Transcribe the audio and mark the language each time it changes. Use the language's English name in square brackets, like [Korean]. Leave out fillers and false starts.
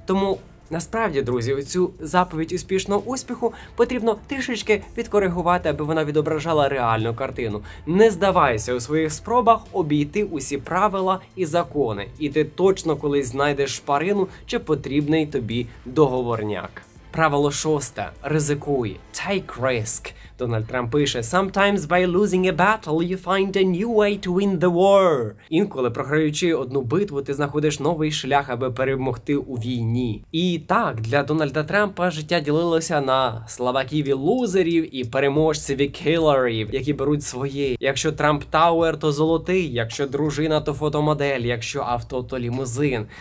[Ukrainian] Тому, насправді, друзі, оцю заповідь успішного успіху потрібно трішечки підкоригувати, аби вона відображала реальну картину. Не здавайся у своїх спробах обійти усі правила і закони, і ти точно колись знайдеш шпарину чи потрібний тобі договорняк. Правило 6. Ризикуй. [English] Take risk. [Ukrainian] Дональд Трамп пише: [English] Sometimes by losing a battle you find a new way to win the war. [Ukrainian] Інколи, програючи одну битву, ти знаходиш новий шлях, аби перемогти у війні. І так, для Дональда Трампа життя ділилося на слабаків і лузерів і переможців і кілерів, які беруть своє. Якщо Трамп Тауер, то золотий, якщо дружина, то фотомодель, якщо авто, то лімузин.